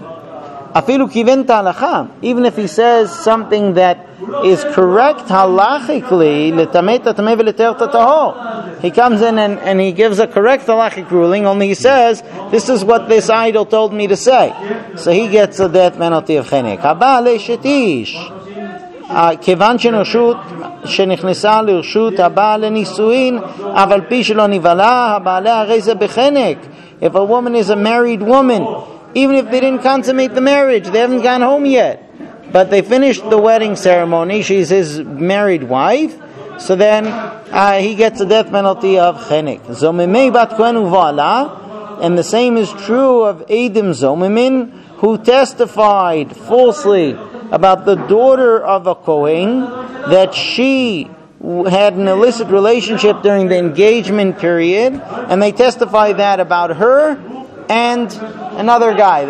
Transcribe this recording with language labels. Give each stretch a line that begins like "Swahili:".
Hebrew: Afilu kiven talacha,
English: even if he says something that is correct halachically,
Hebrew: letameta tame veleterta tahor,
English: he comes in and he gives a correct halachic ruling, only he says, this is what this idol told me to say. So he gets a death penalty of chenek. Haba le shetish.
Hebrew: כיוון שנרשות שנכנסה לרשות הבעל לנישואין אף על פי שלא נבלה הבעלה הרי זה בחנק.
English: If a woman is a married woman, even if they didn't consummate the marriage, they haven't gone home yet, but they finished the wedding ceremony, she's his married wife, so then he gets the death penalty of חנק.
Hebrew: זוממי בת כהן ובעלה,
English: and the same is true of אדם זוממין, who testified falsely about the daughter of a Kohen, that she had an illicit relationship during the engagement period, and they testify that about her and another guy.